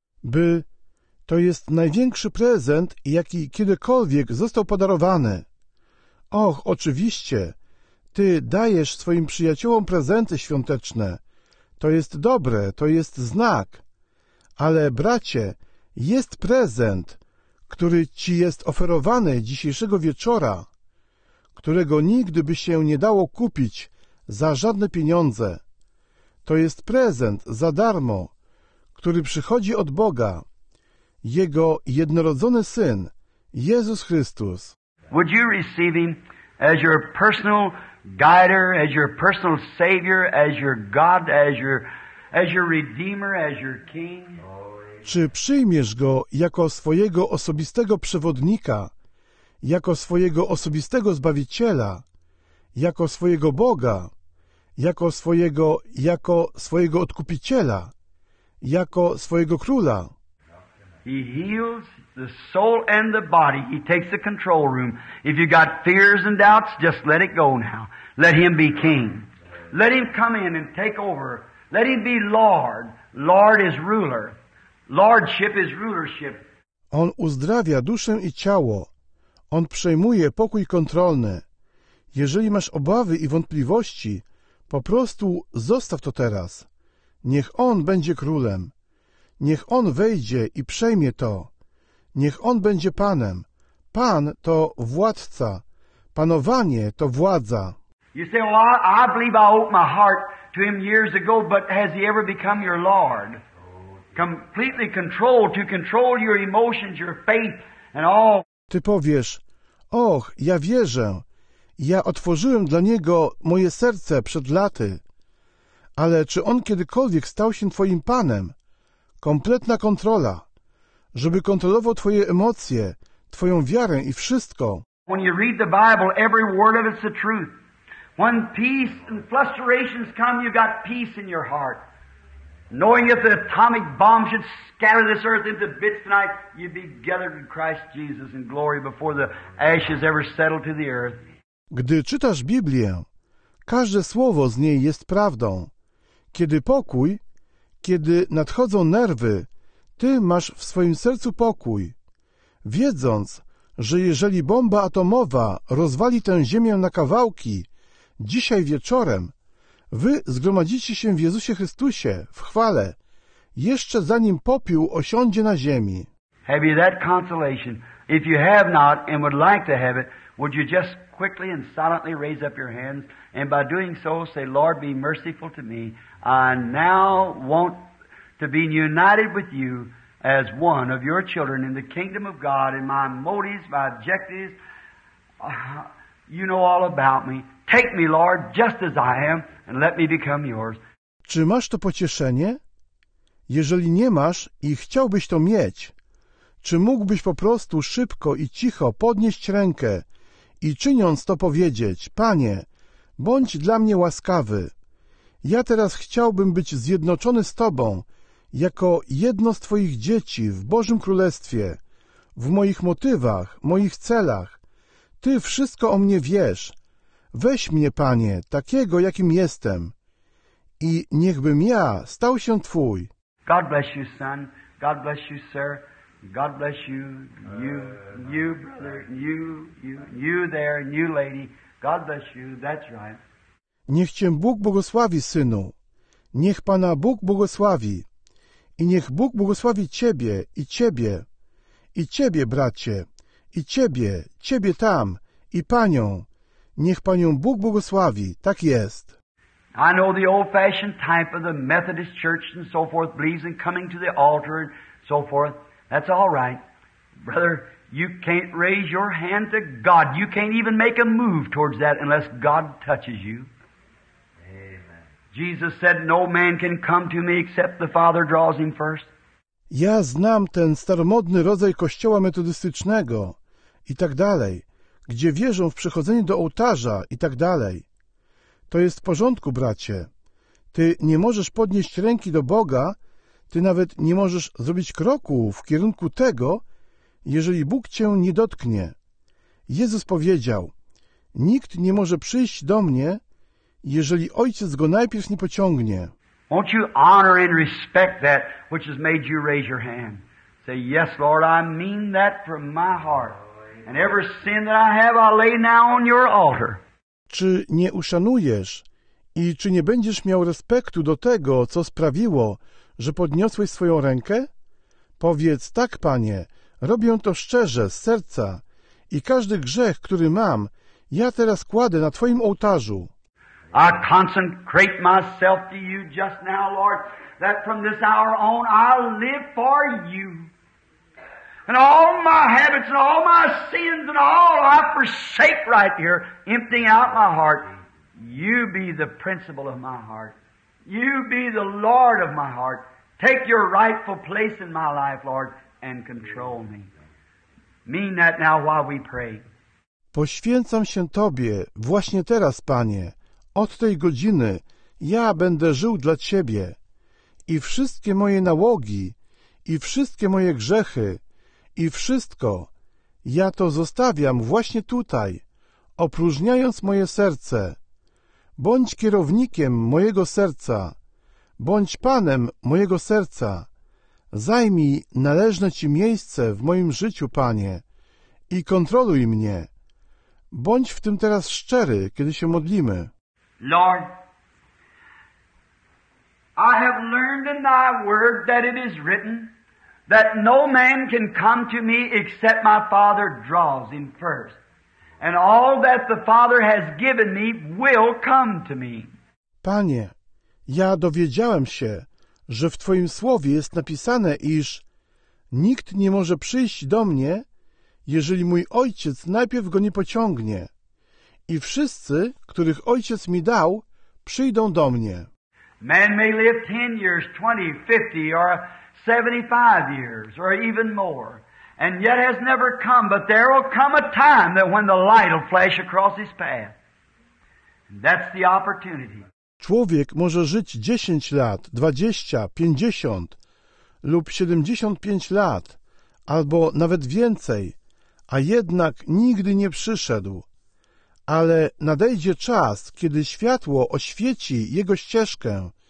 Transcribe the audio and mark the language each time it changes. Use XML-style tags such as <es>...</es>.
<pl>By to jest największy prezent, jaki kiedykolwiek został podarowany. Och, oczywiście, ty dajesz swoim przyjaciołom prezenty świąteczne. To jest dobre, to jest znak. Ale, bracie, jest prezent, który ci jest oferowany dzisiejszego wieczora, którego nigdy by się nie dało kupić za żadne pieniądze. To jest prezent za darmo, który przychodzi od Boga, Jego jednorodzony Syn, Jezus Chrystus.</pl> <en>Would you receive Him as your personal guider, as your personal Savior, as your God, as your Redeemer, as your King?</en> <pl>Czy przyjmiesz Go jako swojego osobistego przewodnika, jako swojego osobistego Zbawiciela, jako swojego Boga, jako swojego Odkupiciela, jako swojego Króla?</pl> <en>He heals the soul and the body. He takes the control room. If you got fears and doubts, just let it go now. Let Him be King. Let Him come in and take over. Let Him be Lord. Lord is ruler. Lordship is rulership.</en> <pl>On uzdrawia duszę i ciało. On przejmuje pokój kontrolny. Jeżeli masz obawy i wątpliwości, po prostu zostaw to teraz. Niech On będzie Królem. Niech On wejdzie i przejmie to. Niech On będzie Panem. Pan to władca. Panowanie to władza.</pl> <en>You say, well, I believe I opened my heart to Him years ago, but has He ever become your Lord? Completely controlled, to control your emotions, your faith, and all.</en> <pl>Ty powiesz, och, ja wierzę. Ja otworzyłem dla Niego moje serce przed laty. Ale czy On kiedykolwiek stał się Twoim Panem? Kompletna kontrola, żeby kontrolował Twoje emocje, Twoją wiarę i wszystko.</pl> <en>When you read the Bible, every word of it's the truth. When peace and frustrations come, you got peace in your heart. Knowing if the atomic bomb should scatter this earth into bits tonight, you'd be gathered in Christ Jesus in glory before the ashes ever settled to the earth.</en> <pl>Gdy czytasz Biblię, każde słowo z niej jest prawdą. Kiedy pokój, kiedy nadchodzą nerwy, ty masz w swoim sercu pokój, wiedząc, że jeżeli bomba atomowa rozwali tę ziemię na kawałki, dzisiaj wieczorem, wy zgromadzicie się w Jezusie Chrystusie, w chwale, jeszcze zanim popiół osiądzie na ziemi.</pl> <en>Have you that consolation? If you have not and would like to have it, would you just quickly and silently raise up your hands and by doing so say, Lord, be merciful to me. I now want to be united with you as one of your children in the kingdom of God, in my motives, my objectives. You know all about me. Take me, Lord, just as I am, and let me become yours.</en> <pl>Czy masz to pocieszenie? Jeżeli nie masz i chciałbyś to mieć, czy mógłbyś po prostu szybko i cicho podnieść rękę i czyniąc to powiedzieć, Panie, bądź dla mnie łaskawy. Ja teraz chciałbym być zjednoczony z Tobą jako jedno z Twoich dzieci w Bożym Królestwie, w moich motywach, moich celach. Ty wszystko o mnie wiesz. Weź mnie, Panie, takiego, jakim jestem i niechbym ja stał się Twój.</pl> <en>God bless you, son. God bless you, sir. God bless you, you, brother, you there, you lady. God bless you, that's right.</en> <pl>Niech Cię Bóg błogosławi, synu. Niech Pana Bóg błogosławi. I niech Bóg błogosławi Ciebie i Ciebie. I Ciebie, bracie. I Ciebie, Ciebie tam. I Panią. Niech Panią Bóg błogosławi. Tak jest.</pl> <en>I know the old-fashioned type of the Methodist Church and so forth believes in coming to the altar and so forth. That's all right. Brother, you can't raise your hand to God. You can't even make a move towards that unless God touches you. Jesus said, no man can come to me except the Father draws him first.</en> <pl>Ja znam ten staromodny rodzaj kościoła metodystycznego i tak dalej, gdzie wierzą w przychodzenie do ołtarza i tak dalej. To jest w porządku, bracie. Ty nie możesz podnieść ręki do Boga, ty nawet nie możesz zrobić kroku w kierunku tego, jeżeli Bóg cię nie dotknie. Jezus powiedział, nikt nie może przyjść do mnie, jeżeli Ojciec go najpierw nie pociągnie.</pl> <en>Won't you honor and respect that which has made you raise your hand? Say, yes, Lord, I mean that from my heart. And every sin that I have, I lay now on your altar.</en> <pl>Czy nie uszanujesz i czy nie będziesz miał respektu do tego, co sprawiło, że podniosłeś swoją rękę? Powiedz, tak, Panie, robię to szczerze, z serca i każdy grzech, który mam, Ja teraz kładę na Twoim ołtarzu.</pl> <en>I consecrate myself to you just now, Lord, that from this hour on I'll live for you. And all my habits and all my sins and all I forsake right here, emptying out my heart. You be the principal of my heart. You be the Lord of my heart. Take your rightful place in my life, Lord, and control me. Mean that now while we pray.</en> <pl>Poświęcam się Tobie właśnie teraz, Panie. Od tej godziny ja będę żył dla Ciebie. I wszystkie moje nałogi, i wszystkie moje grzechy, i wszystko, ja to zostawiam właśnie tutaj, opróżniając moje serce. Bądź kierownikiem mojego serca, bądź Panem mojego serca. Zajmij należne Ci miejsce w moim życiu, Panie, i kontroluj mnie. Bądź w tym teraz szczery, kiedy się modlimy.</pl> <en>Lord, I have learned in Thy word that it is written that no man can come to me except my Father draws him first. And all that the Father has given me will come to me.</en> <pl>Panie, ja dowiedziałem się, że w Twoim słowie jest napisane, iż nikt nie może przyjść do mnie, jeżeli mój Ojciec najpierw go nie pociągnie. I wszyscy, których Ojciec mi dał, przyjdą do mnie.</pl> <en>Man may live 10 years, 20, 50, or 75 years, or even more, and yet has never come, but there will come a time that when the light will flash across his path. That's the opportunity.</en> <pl>Człowiek może żyć 10 lat, 20, 50 lub 75 lat, albo nawet więcej, a jednak nigdy nie przyszedł. Ale nadejdzie czas, kiedy światło oświeci jego ścieżkę.</pl>